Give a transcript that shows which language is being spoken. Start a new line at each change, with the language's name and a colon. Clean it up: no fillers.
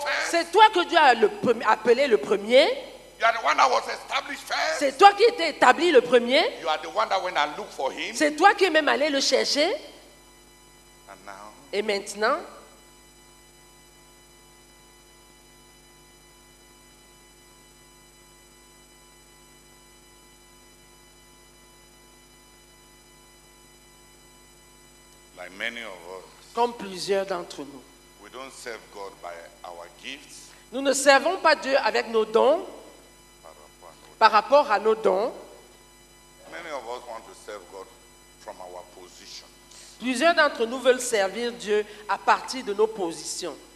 French: C'est toi que Dieu a appelé le premier.
English: You are the one that was established first.
French: C'est toi qui étais établi le premier.
English: You are the one that went and looked for him.
French: C'est toi qui es même allé le chercher.
English: And now,
French: et maintenant,
English: like many of us,
French: comme plusieurs d'entre nous,
English: we don't serve God by our gifts.
French: Nous ne servons pas Dieu avec nos dons par rapport à nos dons.
English: Many of us want to serve God from our positions.
French: Plusieurs d'entre nous veulent servir Dieu à partir de nos positions.